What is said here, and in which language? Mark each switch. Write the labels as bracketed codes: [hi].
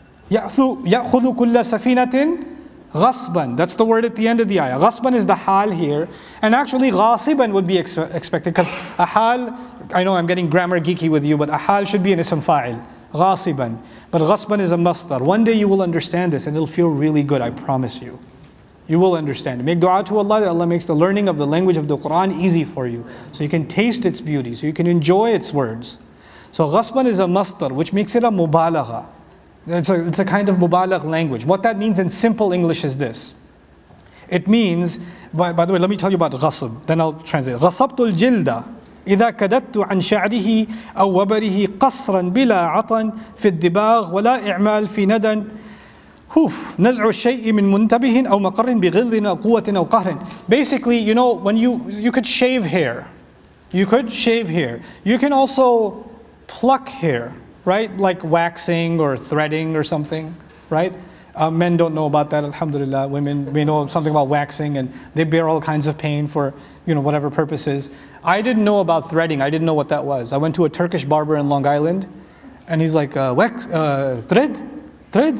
[ar] يَأْخُذُ كُلَّ سَفِينَةٍ ghasban. [en] That's the word at the end of the ayah. Ghasban is the hal here. And actually ghasiban would be expected, because a hal, I know I'm getting grammar geeky with you, but a hal should be an ism fa'il, ghasiban. But ghasban is a masdar. One day you will understand this and it'll feel really good, I promise you. You will understand. Make dua to Allah that Allah makes the learning of the language of the Quran easy for you. So you can taste its beauty, so you can enjoy its words. So ghasban is a masdar, which makes it a mubalagha. It's a kind of mubalagh language. What that means in simple English is this. It means, by the way, let me tell you about ghasb, then I'll translate. [ar] غصبت الجلد إذا كددت عن شعره أو وبره قصرا بلا عطن في الدباغ ولا إعمال في ندن نزع الشيء من منتبه أو مقر بغلظ أو قوة أو قهر [en] Basically, you know, when you could shave hair. You could shave hair. You can also pluck hair, right? Like waxing or threading or something, right? Men don't know about that, alhamdulillah. Women may know something about waxing and they bear all kinds of pain for, you know, whatever purposes. I didn't know about threading. I didn't know what that was. I went to a Turkish barber in Long Island and he's like, wax, thread? Thread?